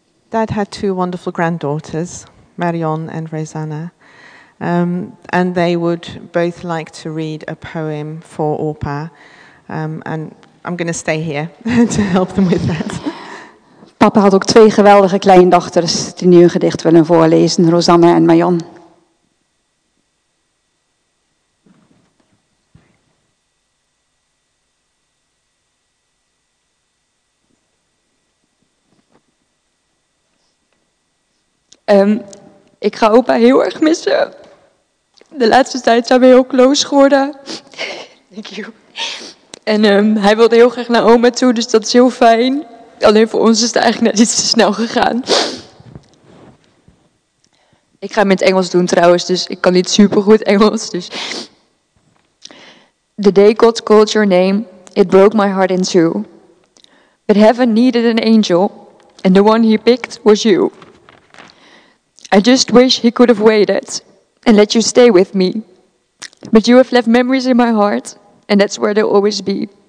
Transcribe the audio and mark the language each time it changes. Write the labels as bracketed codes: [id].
[en] Dad had two wonderful granddaughters, Marion and Rosanna, and they would both like to read a poem for Orpa, and I'm going to stay here to help them with that. [nl] Papa had ook twee geweldige kleindochters die nu een gedicht willen voorlezen, Rosanna en Marion. Ik ga opa heel erg missen. De laatste tijd zijn we heel close geworden. [en] Thank you. [nl] En hij wilde heel graag naar oma toe, dus dat is heel fijn. Alleen voor ons is het eigenlijk net iets te snel gegaan. Ik ga hem in het Engels doen trouwens, dus ik kan niet supergoed Engels. Dus. [en] The day God called your name, it broke my heart in two. But heaven needed an angel, and the one he picked was you. I just wish he could have waited and let you stay with me. But you have left memories in my heart, and that's where they'll always be.